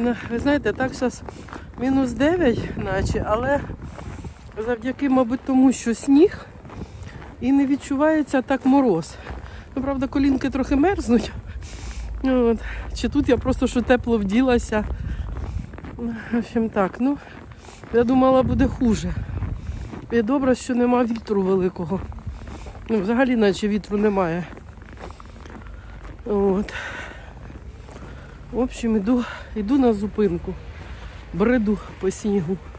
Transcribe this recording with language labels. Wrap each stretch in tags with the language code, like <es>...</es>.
<uk>Ви знаєте, так зараз мінус 9 наче, але завдяки, мабуть, тому, що сніг і не відчувається так мороз. Ну, правда, колінки трохи мерзнуть. От. Чи тут я просто що тепло вділася.</uk> <ru>В общем, так, ну, я думала, буде хуже.</ru> <uk>І добре, що нема вітру великого. Ну, взагалі, наче вітру немає. От.</uk> <ru>В общем,</ru> <uk>іду на зупинку. Бреду по снігу.</uk>